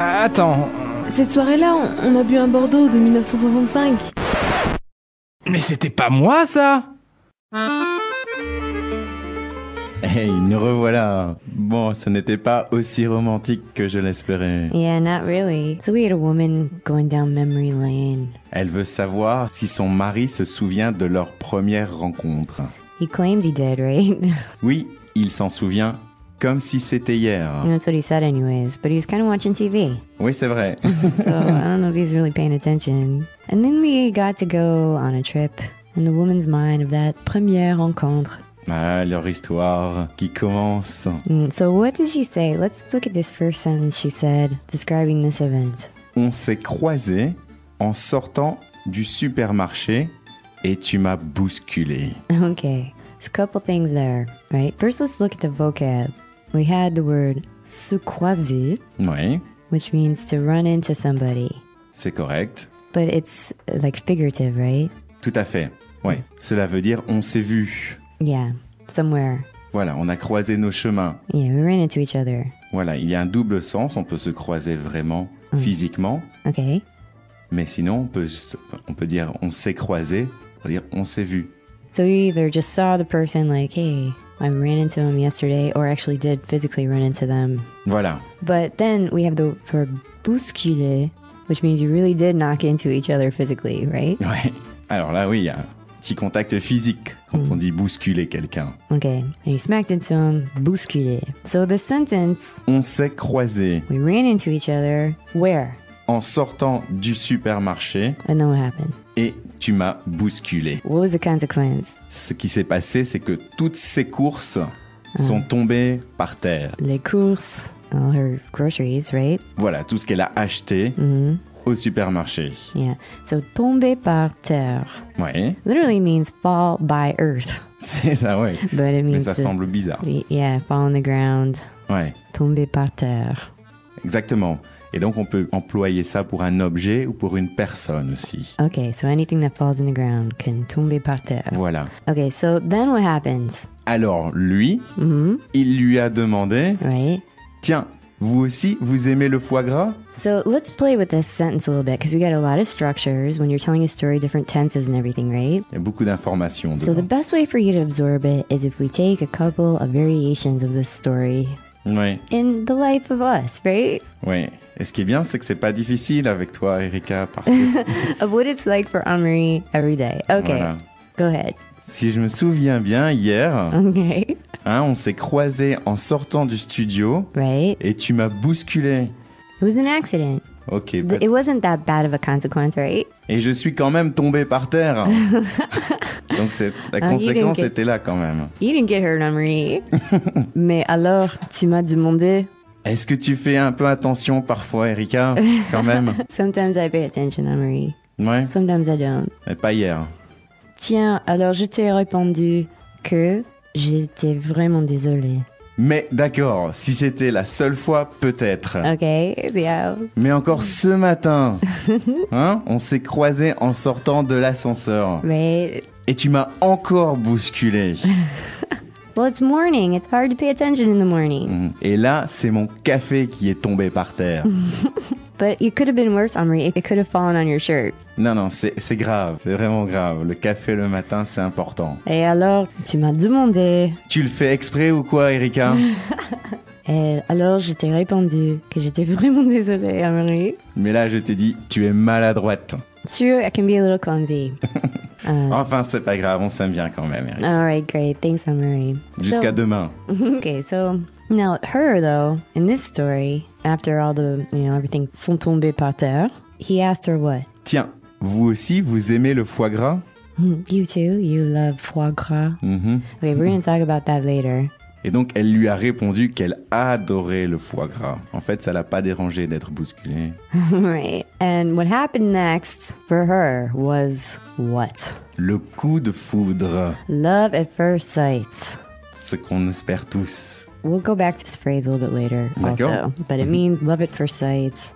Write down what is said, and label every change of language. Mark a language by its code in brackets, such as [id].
[fr] Attends... Cette soirée-là, on a bu un Bordeaux de 1965. Mais c'était pas moi, ça ! Hey, nous revoilà. Bon, ça n'était pas aussi romantique que je l'espérais. [en] Yeah, not really. So we had a woman going down memory lane. [fr] Elle veut savoir si son mari se souvient de leur première rencontre. [en] He claims he did, right? [fr] Oui, il s'en souvient, comme si c'était hier. [en] That's what he said anyways, but he was kind of watching TV. [fr] Oui, c'est vrai. [en] So, I don't know if he's really paying attention. And then we got to go on a trip, in the woman's mind of that [fr] première rencontre. Ah, leur histoire qui commence. [en] So what did she say? Let's look at this first sentence she said, describing this event. [fr] On s'est croisés en sortant du supermarché et tu m'as bousculé. [en] Okay, so a couple things there, right? First, let's look at the vocab. We had the word [fr] se croiser, oui. [en] Which means to run into somebody. [fr] C'est correct. [en] But it's like figurative, right? [fr] Tout à fait, oui. Cela veut dire on s'est vu. [en] Yeah, somewhere. [fr] Voilà, on a croisé nos chemins. [en] Yeah, we ran into each other. [fr] Voilà, il y a un double sens. On peut se croiser vraiment, physiquement. [en] Okay. [fr] Mais sinon, on peut dire on s'est croisé, on peut dire on s'est vu. [en] So we either just saw the person like, hey, I ran into him yesterday, or actually did physically run into them. [fr] Voilà. [en] But then we have the verb bousculer, which means you really did knock into each other physically, right? [fr] Ouais. Alors là, oui, il y a... Petit contact physique, quand on dit bousculer quelqu'un. [en] Okay, and he smacked into him, bousculer. So the sentence... [fr] On s'est croisés. [en] We ran into each other. Where? [fr] En sortant du supermarché. [en] And then what happened? [fr] Et tu m'as bousculé. [en] What was the consequence? [fr] Ce qui s'est passé, c'est que toutes ses courses sont tombées par terre. Les courses, [en] all her groceries, right? [fr] Voilà, tout ce qu'elle a acheté. Au supermarché. [en] Yeah. So, [fr] tomber par terre. Oui. [en] Literally means fall by earth. [fr] C'est ça, oui. [en] But it means [fr] mais ça semble bizarre. [en] Yeah, fall on the ground. [fr] Oui. Tomber par terre. Exactement. Et donc, on peut employer ça pour un objet ou pour une personne aussi. [en] Okay, so anything that falls in the ground can [fr] tomber par terre. Voilà. [en] Okay, so then what happens? [fr] Alors, lui, il lui a demandé... Oui. Tiens, vous aussi, vous aimez le foie gras? [en] So let's play with this sentence a little bit because we got a lot of structures when you're telling a story, different tenses and everything, right? [fr] Il y a beaucoup d'informations dedans. [en] So the best way for you to absorb it is if we take a couple of variations of this story. [fr] Oui. [en] In the life of us, right? [fr] Oui. Et ce qui est bien, c'est que c'est pas difficile avec toi, Erika, parce que... [en] of what it's like for Amaury every day. Okay. [fr] Voilà. [en] Go ahead. [fr] Si je me souviens bien, hier, hein, on s'est croisés en sortant du studio [en] right. [fr] Et tu m'as bousculé. [en] It was an accident. Okay, but it wasn't that bad of a consequence, right? [fr] Et je suis quand même tombé par terre. Donc la conséquence était là quand même. [en] You didn't get hurt, Amaury. [fr] Mais alors, tu m'as demandé... Est-ce que tu fais un peu attention parfois, Erika, quand même? [en] Sometimes I pay attention, Amaury. [fr] Ouais. [en] Sometimes I don't. [fr] Mais pas hier. Tiens, alors je t'ai répondu que j'étais vraiment désolée. Mais d'accord, si c'était la seule fois, peut-être. [en] Ok, yeah. [fr] Mais encore ce matin, hein, on s'est croisés en sortant de l'ascenseur. Mais... Et tu m'as encore bousculé. [en] Well, it's morning, it's hard to pay attention in the morning. [fr] Et là, c'est mon café qui est tombé par terre. [en] but it could have been worse, Henri. It could have fallen on your shirt. [fr] Non, non, c'est grave. C'est vraiment grave. Le café le matin, c'est important. Et alors, tu m'as demandé... Tu le fais exprès ou quoi, Erika? Et alors, je t'ai répondu que j'étais vraiment désolée, Henri. Mais là, je t'ai dit, tu es maladroite. [en] True, I can be a little clumsy. [fr] Enfin, c'est pas grave, on s'aime bien quand même, Erika. [en] All right, great. Thanks, Henri. [fr] Jusqu'à demain. [en] Okay, so... Now, her, though, in this story, after all the, you know, everything [fr] sont tombés par terre, [en] he asked her what? [fr] Tiens, vous aussi, vous aimez le foie gras? [en] You too, you love foie gras. Mm-hmm. Okay, we're going to talk about that later. [fr] Et donc, elle lui a répondu qu'elle adorait le foie gras. En fait, ça l'a pas dérangé d'être bousculée. [en] Right, and what happened next for her was what? [fr] Le coup de foudre. [en] Love at first sight. [fr] Ce qu'on espère tous. [en] We'll go back to this phrase a little bit later, [fr] d'accord. [en] Also. But it means love at first sight.